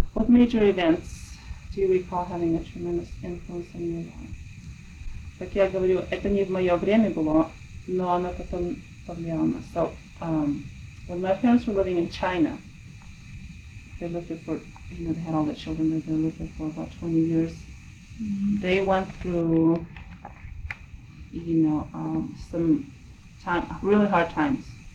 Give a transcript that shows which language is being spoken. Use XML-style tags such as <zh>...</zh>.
<en>What major events do you recall having a tremendous influence on your life?</en> <ru>Так я говорю, это не в мое время было, но оно потом повлияло.</ru> <en>So, when my parents were living in China, they lived for, you know, they had all the children that they lived for about 20 years. Mm-hmm. They went through, you know, some time, really hard times.</en>